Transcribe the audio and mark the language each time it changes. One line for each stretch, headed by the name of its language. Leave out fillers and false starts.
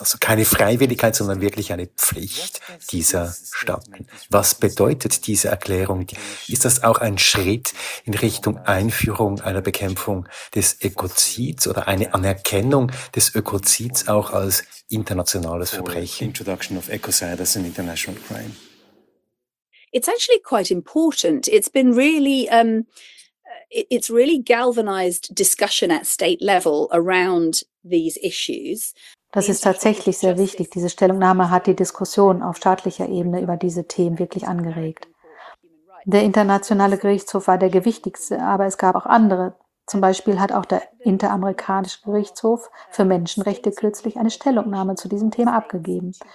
German: Also keine Freiwilligkeit, sondern wirklich eine Pflicht dieser Staaten. Was bedeutet diese Erklärung? Ist das auch ein Schritt in Richtung Einführung einer Bekämpfung des Ökozids oder eine Anerkennung des Ökozids auch als internationales Verbrechen?
English: Introduction of ecocide as an international crime. It's actually quite important. It's been really, it's really galvanized discussion at state level around these issues.
German: Das ist tatsächlich sehr wichtig. Diese Stellungnahme hat die Diskussion auf staatlicher Ebene über diese Themen wirklich angeregt. Der Internationale Gerichtshof war der gewichtigste, aber es gab auch andere. Zum Beispiel hat auch der Interamerikanische Gerichtshof für Menschenrechte kürzlich eine Stellungnahme zu diesem Thema abgegeben.